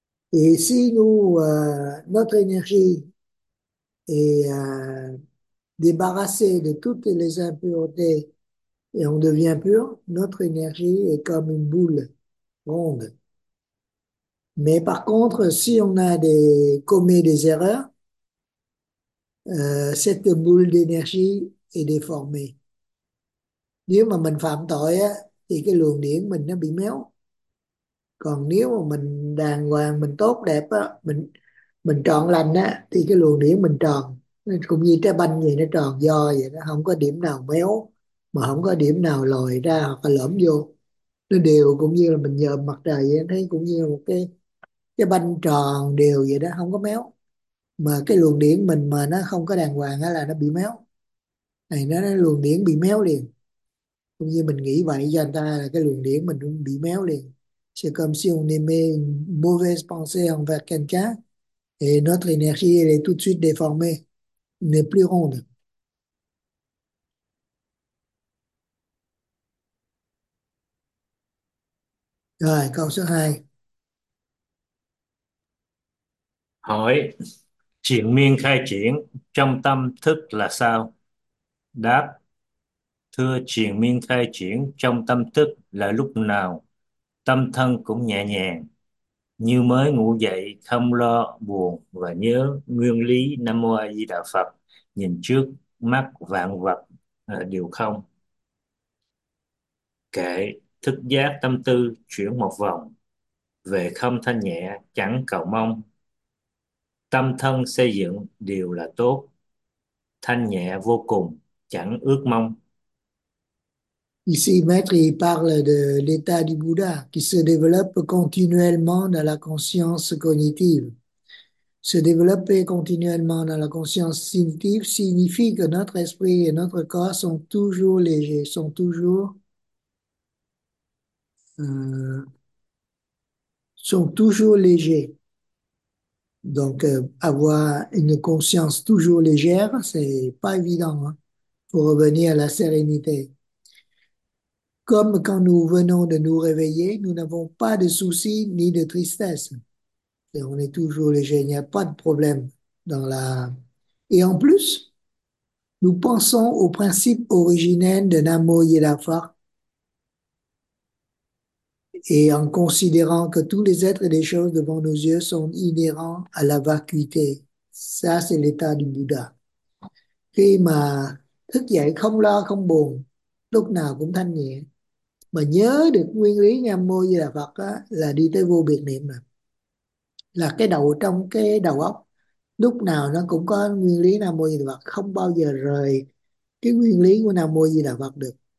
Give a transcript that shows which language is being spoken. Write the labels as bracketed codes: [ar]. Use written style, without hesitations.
[fr] Et si nous, notre énergie est débarrassée de toutes les impuretés et on devient pur, notre énergie est comme une boule ronde. Mais par contre, si on a commis des erreurs, cette boule d'énergie est déformée. [vi] Nếu mà mình phạm tội á, thì cái luồng điện mình nó bị méo. Còn nếu mà mình đàng hoàng, mình tốt đẹp á, mình trọn lành á, thì cái luồng điện mình tròn. Cũng như trái banh vậy, nó tròn do vậy, nó không có điểm nào méo, mà không có điểm nào lồi ra hoặc là lõm vô. Nó đều cũng như là mình nhờ mặt trời vậy, thấy cũng như một cái trái banh tròn đều vậy đó, không có méo. Mà cái luồng điện mình mà nó không có đàng hoàng á là nó bị méo. Này nó luồng điện bị méo liền. Cũng như mình nghĩ vậy cho người ta là cái luồng điện mình cũng bị méo liền. [fr] C'est comme si on émet une mauvaise pensée envers quelqu'un et notre énergie elle est tout de suite déformée, n'est plus ronde. [vi] Rồi, câu số 2. Hỏi, triển miên khai triển trong tâm thức là sao? Đáp, thưa triển miên khai triển trong tâm thức là lúc nào tâm thân cũng nhẹ nhàng như mới ngủ dậy, không lo buồn và nhớ nguyên lý Nam Mô A Di Đà Phật, nhìn trước mắt vạn vật đều không. Kể, thức giác tâm tư chuyển một vòng về không thanh nhẹ, chẳng cầu mong. Tâm thân xây dựng đều là tốt, thanh nhẹ vô cùng, chẳng ước mong. [fr] Ici, Maître, il parle de l'état du Bouddha qui se développe continuellement dans la conscience cognitive. Se développer continuellement dans la conscience cognitive signifie que notre esprit et notre corps sont toujours légers, sont toujours, légers. Donc, avoir une conscience toujours légère, c'est pas évident, hein, pour revenir à la sérénité. Comme quand nous venons de nous réveiller, nous n'avons pas de soucis ni de tristesse. Et on est toujours léger, il n'y a pas de problème dans la. Et en plus, nous pensons au principe originel de Namo Yedafa. Et en considérant que tous les êtres et les choses devant nos yeux sont inhérents à la vacuité. Ça, c'est l'état du Bouddha. [vi] Khi mà thức dậy không lo, không buồn, lúc nào cũng thanh nhẹ. Mà nhớ được nguyên lý Nam Mô Di Đà Phật á, là đi tới vô biệt niệm mà. Là cái đầu trong cái đầu óc lúc nào nó cũng có nguyên lý Nam Mô Di Đà Phật, không bao giờ rời cái nguyên lý của Nam Mô Di Đà Phật được.